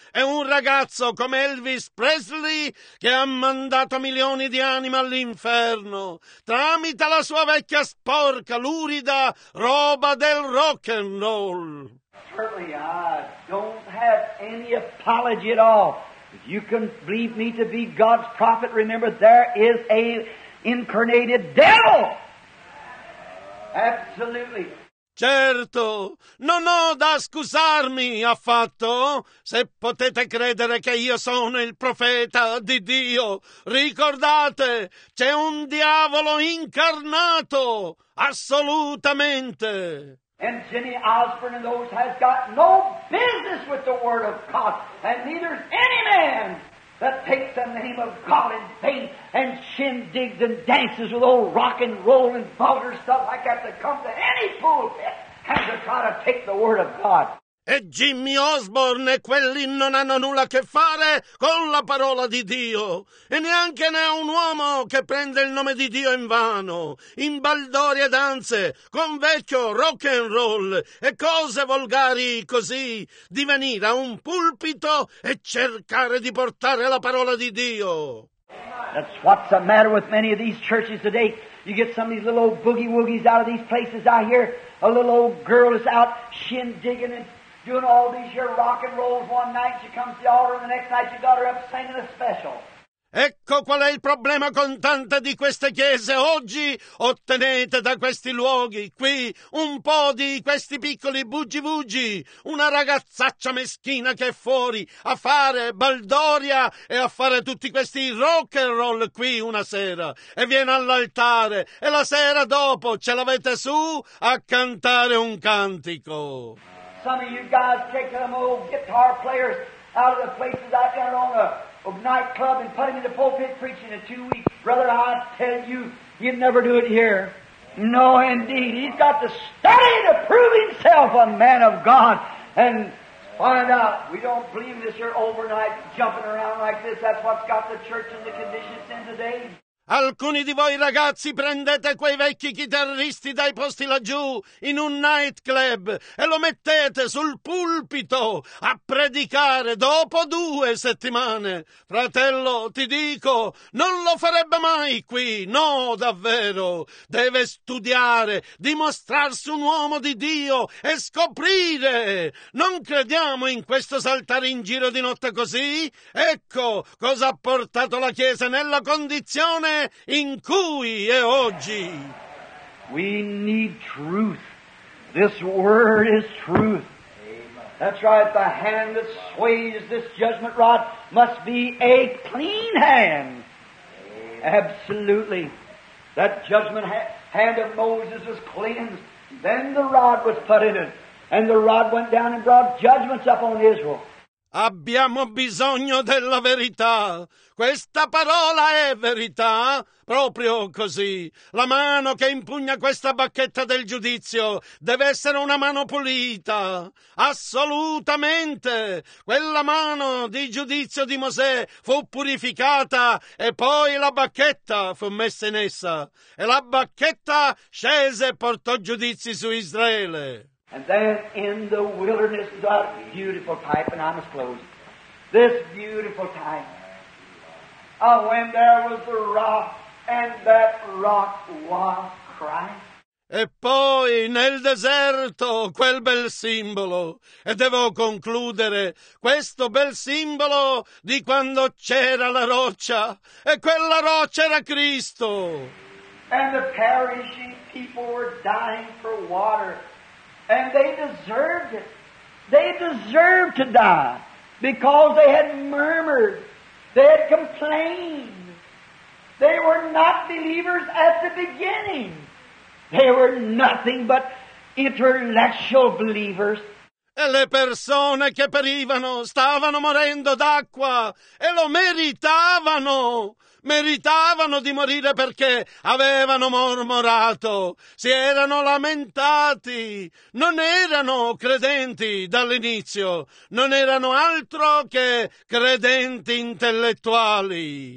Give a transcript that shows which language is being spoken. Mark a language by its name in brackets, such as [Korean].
[Italian] È un ragazzo come Elvis Presley che ha mandato milioni di anime all'inferno tramite la sua vecchia sporca, lurida roba del rock and roll. [English] Certainly, I don't have any apology at all. If you can believe me to be God's prophet, remember there is a incarnated devil. Absolutely. [Italian] Certo, non ho da scusarmi affatto. Se potete credere che io sono il profeta di Dio, ricordate, c'è un diavolo incarnato, assolutamente. [English] And Jenny Osborne and those has got no business with the Word of God. And neither's any man that takes the name of God in vain and shindigs and dances with old rock and roll and vulgar stuff like that to come to any pulpit and to try to take the Word of God. [Italian] E Jimmy Osborne e quelli non hanno nulla a che fare con la parola di Dio, e neanche ne ha un uomo che prende il nome di Dio in vano, in baldori e danze, con vecchio rock and roll e cose volgari così, di venire a un pulpito e cercare di portare la parola di Dio. [English] That's what's the matter with many of these churches today. You get some of these little old boogie woogies out of these places. I hear a little old girl is out shin digging and doing all these here rock and rolls. One night she comes to the altar, and the next night she got her up singing a special. [Italian] Ecco qual è il problema con tante di queste chiese oggi. Ottenete da questi luoghi qui un po' di questi piccoli bugi-bugi, una ragazzaccia meschina che è fuori a fare baldoria e a fare tutti questi rock and roll qui una sera, e viene all'altare, e la sera dopo ce l'avete su a cantare un cantico. [English] Some of you guys take them old guitar players out of the places I got on a nightclub and put him in the pulpit preaching in 2 weeks. Brother, I tell you, he'd never do it here. No, indeed. He's got to study to prove himself a man of God and find out. We don't believe this here overnight jumping around like this. That's what's got the church in the condition it's in today. [Italian] Alcuni di voi ragazzi prendete quei vecchi chitarristi dai posti laggiù in un nightclub e lo mettete sul pulpito a predicare dopo 2 settimane. Fratello, ti dico, non lo farebbe mai qui, no davvero. Deve studiare, dimostrarsi un uomo di Dio e scoprire. Non crediamo in questo saltare in giro di notte così? Ecco cosa ha portato la Chiesa nella condizione in cui è oggi. [English] We need truth. This word is truth. Amen. That's right. The hand that sways this judgment rod must be a clean hand. Amen. Absolutely. That judgment hand of Moses was cleansed. Then the rod was put in it. And the rod went down and brought judgments upon Israel. [Italian] Abbiamo bisogno della verità. Questa parola è verità? Proprio così. La mano che impugna questa bacchetta del giudizio deve essere una mano pulita. Assolutamente. Quella mano di giudizio di Mosè fu purificata e poi la bacchetta fu messa in essa. E la bacchetta scese e portò giudizi su Israele. [English] And then in the wilderness is a beautiful type, and I must close. This beautiful type. Oh, when there was the rock, and that rock was Christ. [Italian] E poi nel deserto quel bel simbolo, e devo concludere, questo bel simbolo di quando c'era la roccia, e quella roccia era Cristo. [English] And the perishing people were dying for water. And they deserved it. They deserved to die because they had murmured. They had complained. They were not believers at the beginning. They were nothing but intellectual believers. [Italian] E le persone che perivano stavano morendo d'acqua e lo meritavano. Meritavano di morire perché avevano mormorato, si erano lamentati, non erano credenti dall'inizio, non erano altro che credenti intellettuali.